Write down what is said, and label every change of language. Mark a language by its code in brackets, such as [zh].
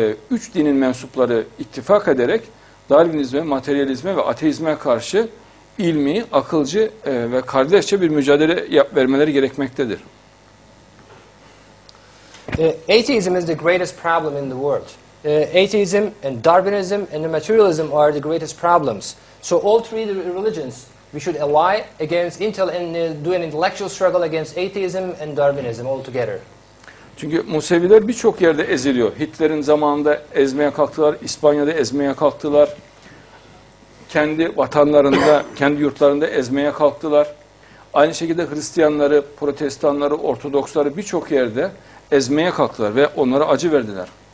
[tr] Üç dinin mensupları ittifak ederek Darwinizme, materyalizme ve ateizme karşı ilmi, akılcı ve kardeşçe bir mücadele vermeleri gerekmektedir. [en] Atheism is the greatest problem in the world. Atheism and Darwinism and the materialism are the greatest problems. So all three religions we should ally against intel and do an intellectual struggle against atheism and Darwinism altogether. [tr] Çünkü Museviler birçok yerde eziliyor. Hitler'in zamanında ezmeye kalktılar, İspanya'da ezmeye kalktılar. Kendi vatanlarında, kendi yurtlarında ezmeye kalktılar. Aynı şekilde Hristiyanları, Protestanları, Ortodoksları birçok yerde ezmeye kalktılar ve onlara acı verdiler.